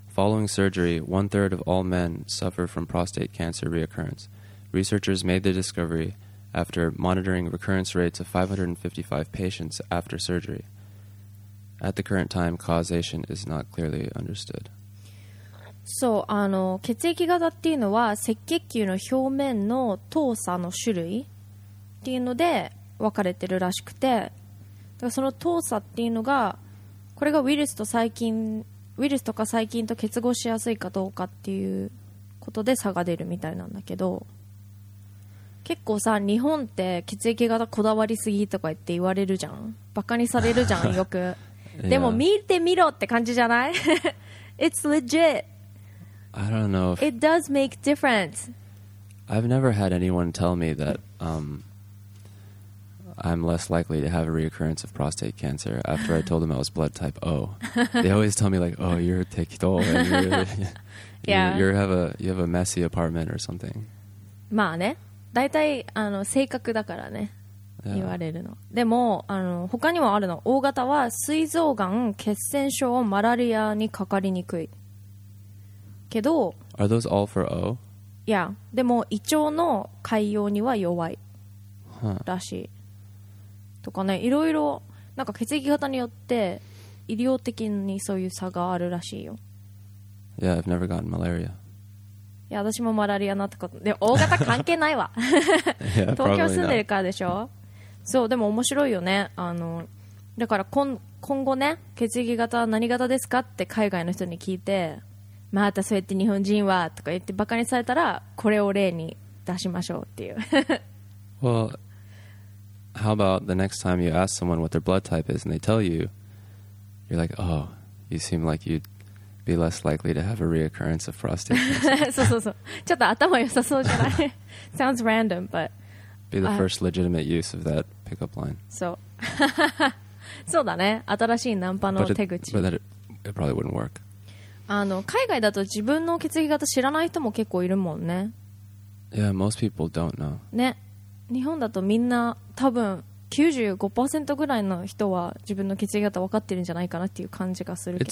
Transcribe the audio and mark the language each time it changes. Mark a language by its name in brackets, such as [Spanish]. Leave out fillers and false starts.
[English] Following surgery, one third of all men suffer from prostate cancer reoccurrence. Researchers made the discovery after monitoring recurrence rates of 555 patients after surgery. At the current time, causation is not clearly understood. [Japanese] そう、あの血液型っていうのは赤血球の表面の糖鎖の種類っていうので分かれてるらしくて、だからその糖鎖っていうのがこれがウイルスと細菌、ウイルスとか細菌と結合しやすいかどうかっていうことで差が出るみたいなんだけど、結構さ日本って血液型こだわりすぎとか言って言われるじゃん、バカにされるじゃんよく。 [English] Yeah. [Japanese] でも見てみろって感じじゃない [English] It's legit. I don't know. If it does make difference. I've never had anyone tell me that I'm less likely to have a reoccurrence of prostate cancer after I told them I was blood type O. They always tell me like, oh, you're 適当 and you have a messy apartment or something. [Japanese] まあね、大体あの性格だからね。 Yeah. 言われるの。でもあの他にもあるの。O 型は膵臓がん、血栓症、マラリアにかかりにくいけど。 [English] Are those all for O? Yeah. [Japanese] でも胃腸の潰瘍には弱いらしい、 huh. とかね、いろいろなんか血液型によって医療的にそういう差があるらしいよ。 [English] Yeah, I've never gotten malaria. [Japanese] いや私もマラリアなってことで大型関係ないわ東京住んでるからでしょ。そうでも面白いよね。あのだから 今後ね、血液型は何型ですかって海外の人に聞いて、またそうやって日本人はとか言ってバカにされたら、これを例に出しましょうっていう [English] Well, how about the next time you ask someone what their blood type is and they tell you, you're like, oh, you seem like you'dbe less likely to have a reoccurrence of prostate cancer. [Japanese] そうそうそう。ちょっと頭良さそうじゃない? [English] Sounds random, but... Be the first legitimate use of that pickup line. So, [Japanese] そうだね、新しいナンパの手口。 [English] But that it probably wouldn't work. [Japanese] あの海外だと自分の血液型知らない人も結構いるもんね。 [English] Yeah, most people don't know. [Japanese] ね、日本だとみんな多分 95% ぐらいの人は自分の血液型分かってるんじゃないかなっていう感じがするけど。